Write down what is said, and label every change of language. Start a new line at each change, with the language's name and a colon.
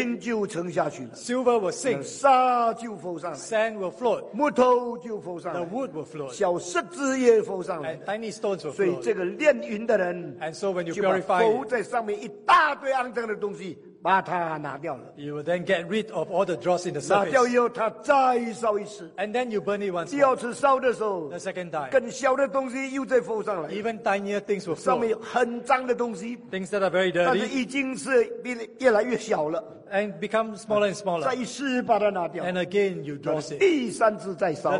Chinese: 银就沉下去了。
English: Silver will sink.
Chinese: 沙就浮上来。
English: Sand will float.
Chinese: 木头就浮上来。
English: The wood will float.
Chinese: 小石子也浮上来。
English: And tiny stones will float.
Chinese: 所以这个炼银的人，
English: And so when you purify it,
Chinese: 就把浮在上面一大堆肮脏的东西把它拿掉了。
English: You will then get rid of all the dross in the surface.
Chinese: 拿掉以后，它再烧一次。
English: And then you burn it once.
Chinese: 第二次烧的时候，
English: The second time.
Chinese: 更小的东西又再浮上来。
English: Even tinier things will float.
Chinese: 上面有很脏的东西。
English: Things that are very dirty.
Chinese: 但是已经是变得越来越小了。
English: And become smaller and smaller.
Chinese: 再一次把它拿掉。
English: And again you dross it.
Chinese: 第三次再烧。